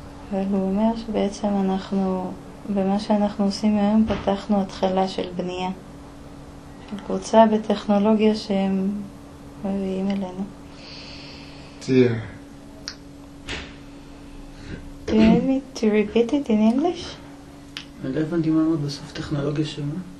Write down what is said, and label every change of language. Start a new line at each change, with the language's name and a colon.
Hebrew: אבל הוא אומר שבעצם אנחנו, במה שאנחנו עושים היום, פתחנו התחלה של בנייה של קבוצה בטכנולוגיה שהם מביאים אלינו. תהיה.
English: Do you need me to repeat it in English?
Hebrew: אני לא הבנתי מה אומר בסוף טכנולוגיה שמה.